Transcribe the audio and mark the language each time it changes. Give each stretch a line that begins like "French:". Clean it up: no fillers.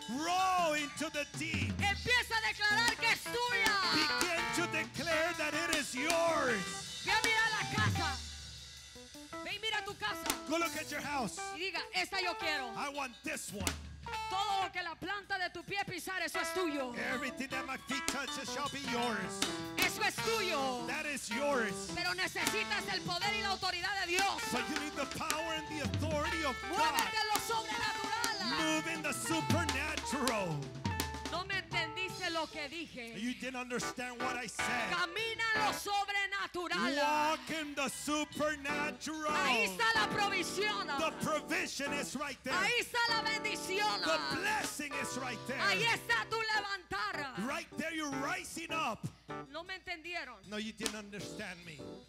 English: Row into the deep.
Spanish: Empieza a declarar que es tuya.
English: Begin to declare that it is yours.
Spanish: Ve a mirar la casa. Ve y mira tu casa.
English: Go look at your house.
Spanish: Y diga, esta yo quiero.
English: I want this one.
Spanish: Todo lo que la planta de tu pie pisar, eso es tuyo.
English: Everything that my feet touch shall be yours.
Spanish: Eso es tuyo.
English: That is yours.
Spanish: Pero necesitas el poder y la autoridad de Dios.
English: But you need the power and the authority of God.
Spanish: Muévete en lo sobrenatural.
English: Move in the supernatural.
Spanish: No me entendiste lo que dije.
English: You didn't understand what I said.
Spanish: Camina en lo sobrenatural.
English: Walk in the supernatural.
Spanish: Ahí está la provisión.
English: The provision is right there.
Spanish: Ahí está la bendición.
English: The blessing is right there.
Spanish: Ahí está tu levantar.
English: Right there you're rising up.
Spanish: No me entendieron.
English: No, you didn't understand me.